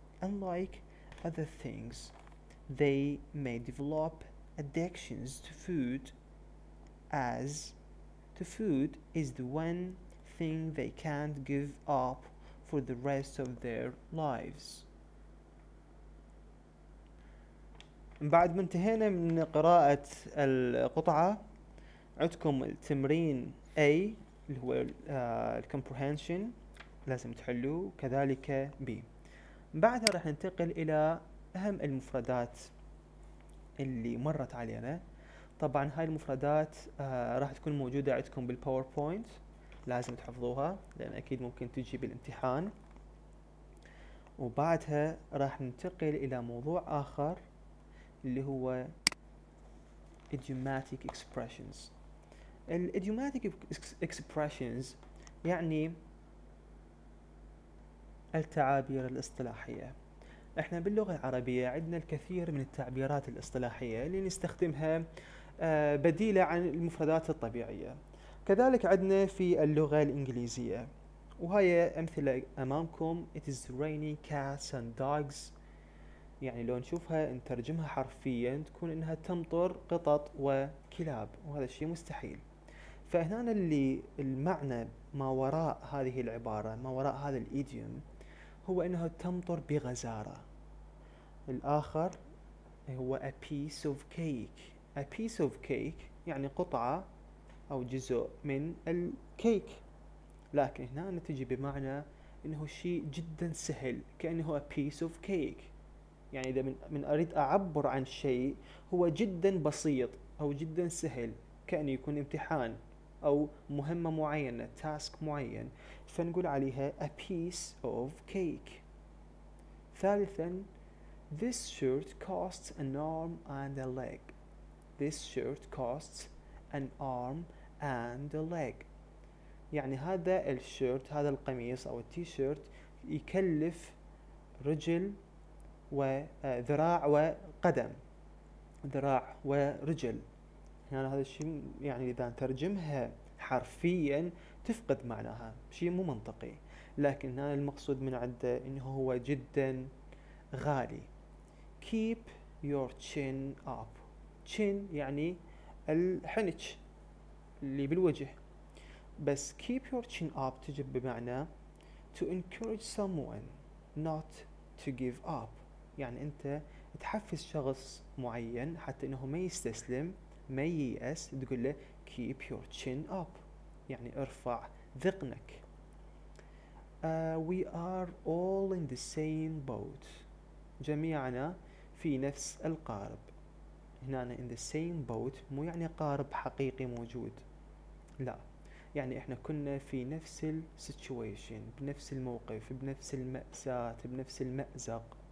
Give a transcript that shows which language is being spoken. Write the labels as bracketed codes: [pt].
[en] Unlike other things, they may develop addictions to food, as the food is the one thing they can't give up for the rest of their lives. [ar] بعد ما انتهينا من قراءة القطعة عندكم التمرين A اللي هو الcomprehension لازم تحلوه كذلك B. بعدها راح ننتقل إلى أهم المفردات اللي مرت علينا. طبعا هاي المفردات راح تكون موجودة عندكم بالPowerPoint لازم تحفظوها لأن أكيد ممكن تجي بالامتحان. وبعدها راح ننتقل إلى موضوع آخر اللي هو [en] idiomatic expressions. [ar] ال [en] idiomatic expressions [ar] يعني التعابير الاصطلاحية. احنا باللغة العربية عندنا الكثير من التعبيرات الاصطلاحية اللي نستخدمها بديلة عن المفردات الطبيعية. كذلك عندنا في اللغة الإنجليزية وهي أمثلة أمامكم. [en] It is raining cats and dogs. [ar] يعني لو نشوفها نترجمها حرفيا تكون انها تمطر قطط وكلاب وهذا الشيء مستحيل. فهنا اللي المعنى ما وراء هذه العبارة ما وراء هذا الإيديوم هو انها تمطر بغزارة. الآخر هو [en] a piece of cake. A piece of cake [ar] يعني قطعة او جزء من الكيك. لكن هنا تجي بمعنى انه شيء جدا سهل كأنه [en] a piece of cake. [ar] يعني إذا من أريد أعبر عن شيء هو جدا بسيط أو جدا سهل كأنه يكون امتحان أو مهمة معينة تاسك معين فنقول عليها [en] a piece of cake. [ar] ثالثا [en] this shirt costs an arm and a leg. This shirt costs an arm and a leg. [ar] يعني هذا الشيرت هذا القميص أو التيشيرت يكلف رجل وذراع وقدم ذراع ورجل. يعني هذا الشيء يعني إذا نترجمها حرفيا تفقد معناها شيء مو منطقي. لكن هذا المقصود من عنده إنه هو جدا غالي. [en] keep your chin up. [ar] chin يعني الحنج اللي بالوجه. بس [en] keep your chin up [ar] تجيب بمعنى [en] to encourage someone not to give up. [ar] يعني أنت تحفز شخص معين حتى أنه ما يستسلم ما ييأس تقول له [en] keep your chin up [ar] يعني ارفع ذقنك. [en] We are all in the same boat. [ar] جميعنا في نفس القارب. هنا أنا [en] in the same boat [ar] مو يعني قارب حقيقي موجود لا يعني إحنا كنا في نفس ال situation بنفس الموقف بنفس المأساة بنفس المأزق.